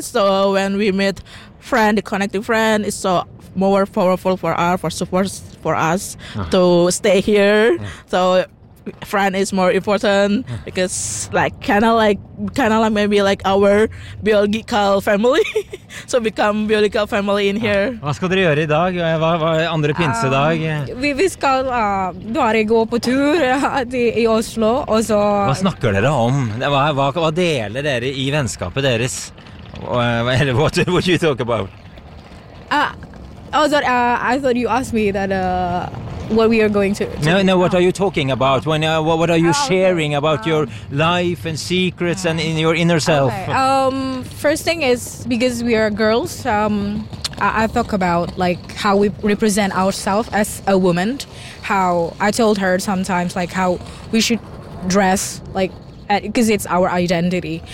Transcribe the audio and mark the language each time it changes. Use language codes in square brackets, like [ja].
[en] So when we meet friend, the connecting friend is so more powerful for us, for support for us to stay here. So friend is more important because kind of like maybe like our biological family. So become biological family in here. [no] Hva skal dere gjøre I dag? Hva andre pinsedag? Vi skal bare gå på tur I Oslo, og så hva snakker dere om? Hva deler dere I vennskapet deres? [en] What you talk about? I thought you asked me that what we are going to No, no, what are you talking about? What are you sharing about your life and secrets and in your inner self? Okay. First thing is because we are girls, I talk about like how we represent ourselves as a woman, how I told her sometimes like how we should dress like because it's our identity.